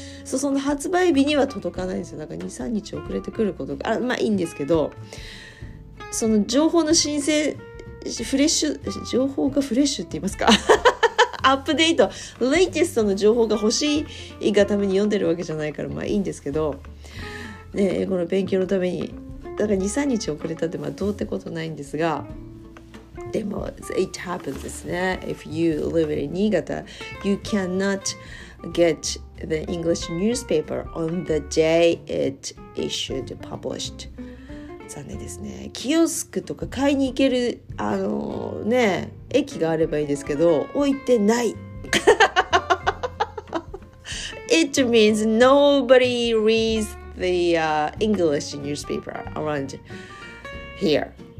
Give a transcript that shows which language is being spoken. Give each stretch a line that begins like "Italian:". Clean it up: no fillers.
Japanese: そう、その発売日には届かないんですよ。だから2、3日遅れてくることが、まあいいんですけど、その情報の申請、フレッシュ、情報がフレッシュって言いますか。アップデート、レイテストの情報が欲しいがために読んでるわけじゃないから、まあいいんですけど、ね、英語の勉強のために、だから2、3日遅れたって、まあどうってことないんですが、でも、
English: it happens
Japanese: ですね。
English: If you live in 新潟、you cannot get the English newspaper on the day it issued published.
Japanese: 残念ですね。キオスクとか買いに行けるね、駅があればいいですけど、置いてない。
English: It means nobody reads the English newspaper around here.